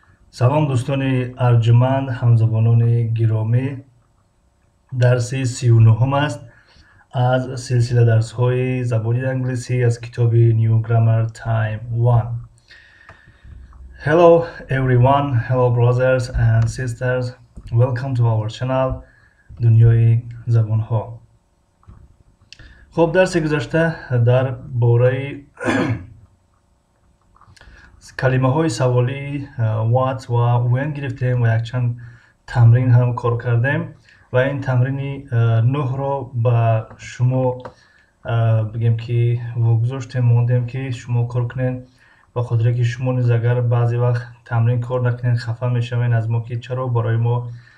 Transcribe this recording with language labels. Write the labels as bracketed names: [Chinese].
[Persian] سلام دوستان ارجمند، همزبانان گرامی، درس 39 است از سلسله درس های زبان انگلیسی از کتاب نیو گرامر تایم 1. [English] Hello everyone, hello brothers and sisters, welcome to our channel دنیای زبان ها. [Persian] خب درس گذشته در باره کلمه های سوالی what و when گرفتیم و یک چند تمرین هم کار کردیم و این تمرین 9 رو با شما بگیم که وگذاشتیم موندیم که شما کار کنین و خاطر که شما نیز اگر بعضی وقت تمرین کار نکنین خفه میشوین از ما که چرا برای ما